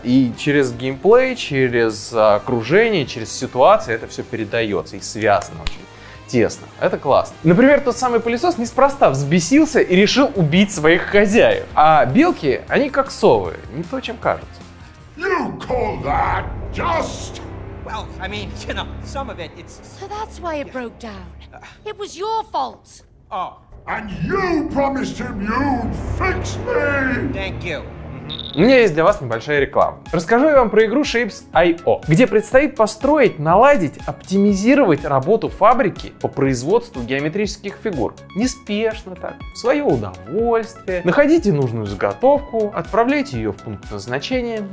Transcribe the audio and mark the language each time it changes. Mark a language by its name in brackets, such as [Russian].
[Russian] И через геймплей, через окружение, через ситуации это все передается и связано очень. Тесно. Это классно. Например, тот самый пылесос неспроста взбесился и решил убить своих хозяев. А белки, они как совы, не то, чем кажутся. [English] You call that just? Well, I mean, you know, some of it, it's... So that's why it broke down. It was your fault. Oh, And you promised him you'd fix me! Thank you. [Russian] У меня есть для вас небольшая реклама. Расскажу я вам про игру Shapes.io, где предстоит построить, наладить, оптимизировать работу фабрики по производству геометрических фигур. Неспешно так, в свое удовольствие. Находите нужную заготовку, отправляйте ее в пункт назначения.